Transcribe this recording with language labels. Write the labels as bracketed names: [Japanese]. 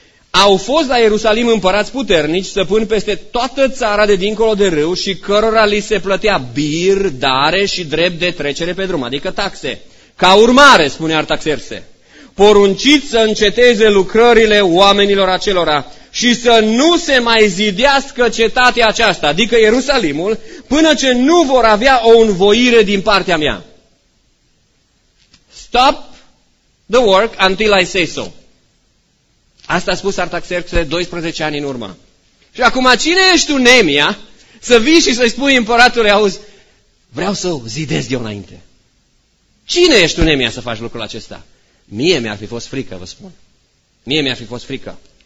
[Romanian] Au fost la Ierusalim împărați puternici, stăpâni peste toată țara de dincolo de râu și cărora li se plătea bir, dare și drept de trecere pe drum, adică taxe. Ca urmare, spune Artaxerxe, porunciți să înceteze lucrările oamenilor acelora și să nu se mai zidească cetatea aceasta, adică Ierusalimul, până ce nu vor avea o învoire din partea mea. [English] Stop the work until I say so. [Romanian] Asta a spus Artaxerxe 12 ani în urmă. Și acum, cine ești tu, Nemia, să vii și să-i spui împăratului, auzi, vreau să o zidesc eu înainte. Cine ești tu, Nemia, să faci lucrul acesta? Mie mi-ar fi fost frică, vă spun. Mie mi-ar fi fost frică.